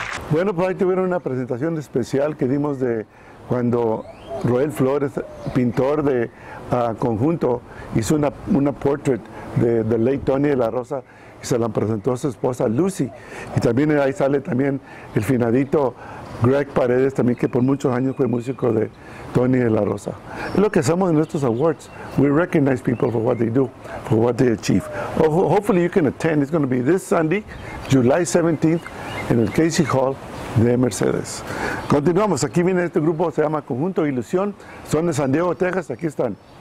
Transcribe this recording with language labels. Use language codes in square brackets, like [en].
[es] Bueno, por ahí tuvieron una presentación especial que dimos de cuando Roel Flores, pintor de conjunto, hizo una portrait de Late Tony de la Rosa, y se la presentó a su esposa Lucy. Y también ahí sale también el finadito Greg Paredes, también, que por muchos años fue músico de Tony de la Rosa. Es lo que hacemos en estos awards. [en] We recognize people for what they do, for what they achieve. Hopefully you can attend. It's going to be this Sunday, July 17th, [es] en el [en] Casey Hall de Mercedes. [es] Continuamos, aquí viene este grupo, se llama Conjunto Ilusión, son de San Diego, Texas, aquí están.